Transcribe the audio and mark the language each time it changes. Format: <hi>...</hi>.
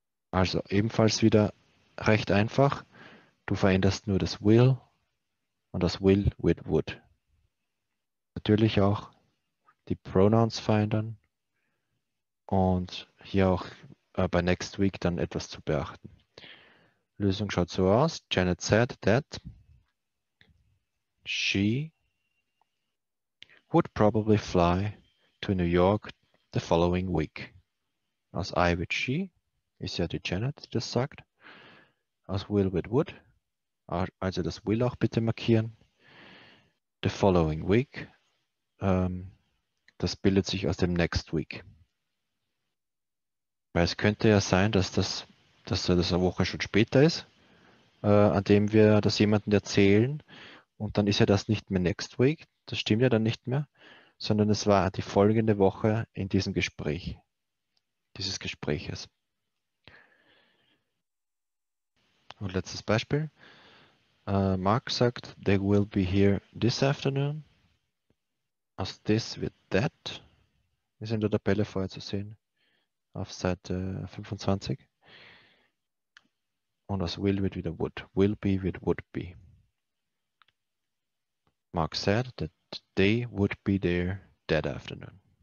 <de>Also ebenfalls wieder recht einfach. Du veränderst nur das will und das will wird would. Natürlich auch die Pronouns verändern und hier auch bei next week dann etwas zu beachten. Lösung schaut so aus.</de> <en>Janet said that she would probably fly to New York the following week.</en> <de>Aus I wird she. Ist ja die Janet, die das sagt. Aus will with would. Also das will auch bitte markieren.</de> <en>The following week.</en> <de>Das bildet sich aus dem next week. Weil es könnte ja sein, dass das eine Woche schon später ist, an dem wir das jemandem erzählen. Und dann ist ja das nicht mehr next week. Das stimmt ja dann nicht mehr. Sondern es war die folgende Woche in diesem Gespräch. Dieses Gespräches. Und letztes Beispiel. Mark sagt,</de> <en>they will be here this afternoon.</en> <de>Aus this wird that. Ist in der Tabelle vorher zu sehen. Auf Seite 25. Und aus will wird wieder would. Will be wird would be.</de> <en>Mark said that they would be there that afternoon.</en>